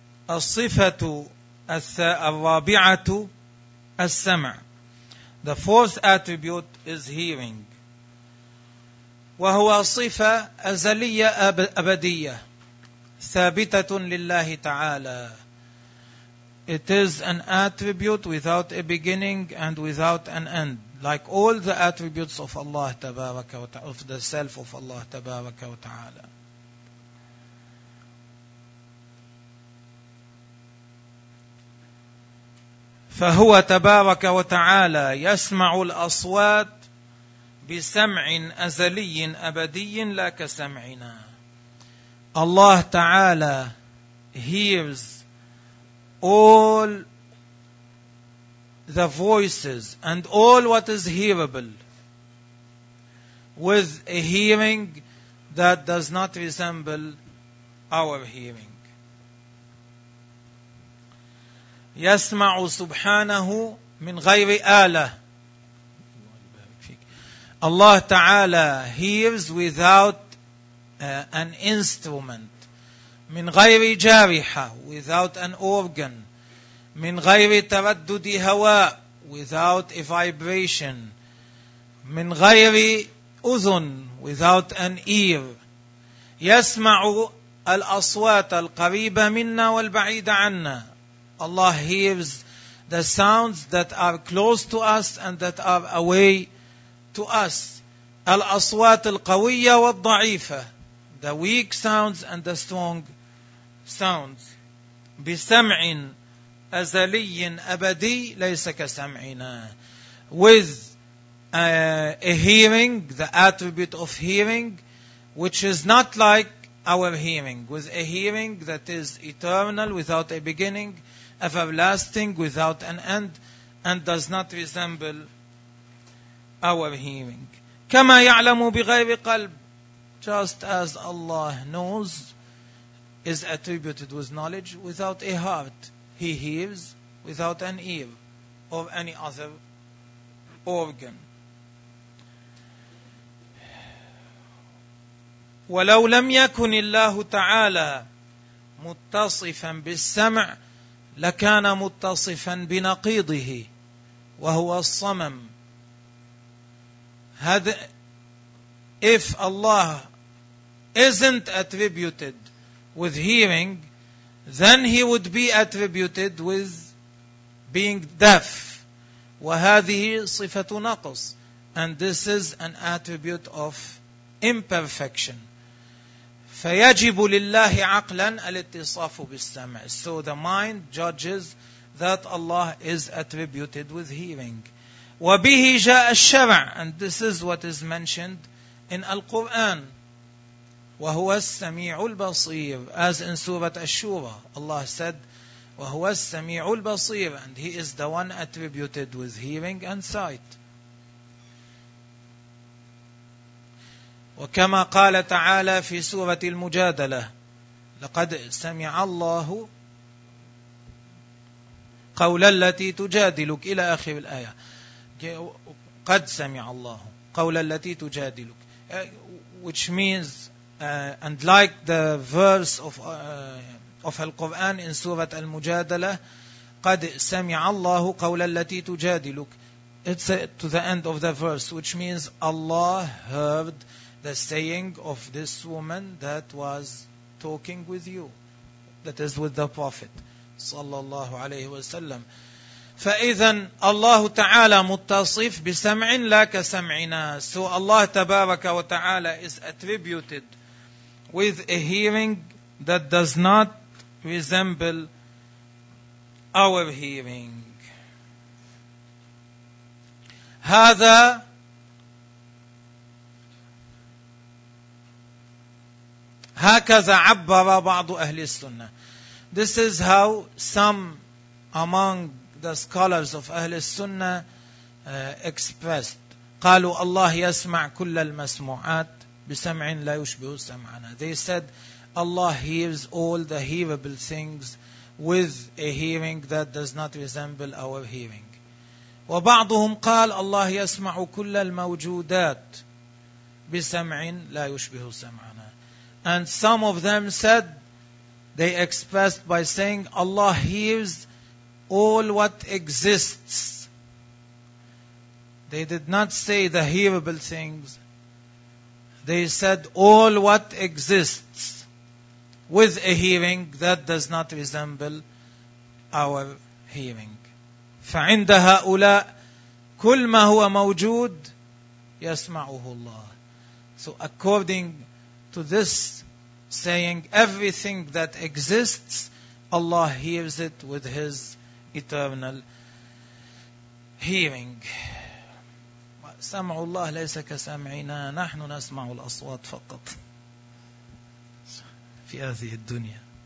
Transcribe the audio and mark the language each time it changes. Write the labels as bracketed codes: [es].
[ar] الصفة الرابعة السمع. [en] The fourth attribute is hearing. [ar] وهو صفة أزلية أبدية ثابتة لله تعالى. [en] It is an attribute without a beginning and without an end, like all the attributes of Allah [ar] تبارك وتعالى, [en] of the self of Allah تبارك وتعالى. [ar] فهو تبارك وتعالى يسمع الأصوات بسمع أزلي أبدي لا كسمعنا. [en] Allah تعالى hears all the voices and all what is hearable with a hearing that does not resemble our hearing. [ar] يسمع سبحانه من غير آلة. [en] Allah تعالى hears without an instrument. [ar] من غير جارحة, [en] without an organ. [ar] من غير تردد هواء, [en] without a vibration. [ar] من غير أذن, [en] without an ear. [ar] يسمع الأصوات القريبة منا والبعيدة عنا. [en] Allah hears the sounds that are close to us and that are away to us. [ar] الأصوات القوية والضعيفة. [en] The weak sounds and the strong sounds. [ar] بسمع أزلي أبدي ليس كسمعنا. [en] With a hearing, the attribute of hearing, which is not like our hearing. With a hearing that is eternal, without a beginning, everlasting, without an end, and does not resemble our hearing. [ar] كما يعلم بغير قلب. [en] Just as Allah knows, is attributed with knowledge without a heart. He hears without an ear or any other organ. [ar] ولو لم يكن الله تعالى متصفا بالسمع لكان متصفا بنقيضه وهو الصمم. [en] If Allah isn't attributed with hearing, then he would be attributed with being deaf. [ar] وهذه صفة نقص. [en] And this is an attribute of imperfection. [ar] فيجب لله عقلا الاتصاف بالسمع. [en] So the mind judges that Allah is attributed with hearing. [ar] وبه جاء الشرع. [en] And this is what is mentioned in Al-Quran. [ar] وهو السميع البصير. [en] As in Surah Ash-Shura, Allah said, [ar] وهو السميع البصير. [en] And He is the one attributed with hearing and sight. [ar] وكما قال تعالى في سورة المجادلة, لقد سمع الله قول التي تجادلك, إلى آخر الآية. قد سمع الله قول التي تجادلك, [en] which means and like the verse of Al-Quran in Surah Al-Mujadalah, [ar] قَدْ سَمِعَ اللَّهُ قَوْلَ الَّتِي تُجَادِلُكَ. [en] it's to the end of the verse, which means Allah heard the saying of this woman that was talking with you, that is with the Prophet sallallahu alayhi wa sallam. [ar] فَإِذًا اللَّهُ تَعَالَى مُتَّصِفْ بِسَمْعٍ لَا كَسَمْعِنَا. [en] So Allah tabaraka wa ta'ala is attributed with a hearing that does not resemble our hearing. [ar] هَذَا هَكَذَا عَبَّرَ بَعْضُ أَهْلِ السُّنَّةِ. [en] This is how some among the scholars of Ahlul Sunnah expressed. [ar] قَالُوا Allah يَسْمَعْ كُلَّ الْمَسْمُعَاتِ بِسَمْعٍ لَا يُشْبِهُ سَمْعَنَا. [en] They said Allah hears all the hearable things with a hearing that does not resemble our hearing. [ar] وَبَعْضُهُمْ قَالَ Allah يَسْمَعُ كُلَّ الْمَوْجُودَاتِ بِسَمْعٍ لَا يُشْبِهُ سَمْعَنَا. [en] And some of them said, they expressed by saying, Allah hears all what exists. They did not say the hearable things. They said all what exists with a hearing that does not resemble our hearing. [ar] فعند هؤلاء كل ما هو موجود يسمعه الله. [en] So according to this saying, everything that exists, Allah hears it with His eternal hearing. [ar] سَمْعُ اللَّهِ لَيْسَ كَسَمْعِنَا نَحْنُ نَسْمَعُ الْأَصْوَاتِ فَقَطْ فِي هَذِهِ الدُّنْيَا.